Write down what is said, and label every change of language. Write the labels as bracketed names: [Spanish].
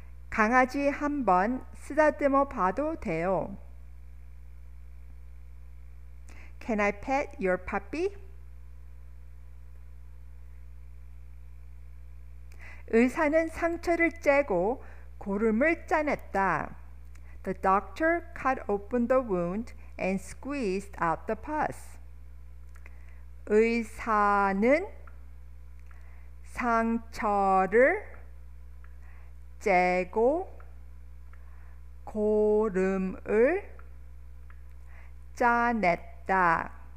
[Korean] 강아지 한번 쓰다듬어 봐도 돼요. [English] Can I pet your puppy? [Korean] 의사는 상처를 째고 고름을 짜냈다. [English] The doctor cut open the wound and squeezed out the pus. [Korean] 의사는 상처를 째고 고름을 짜냈다.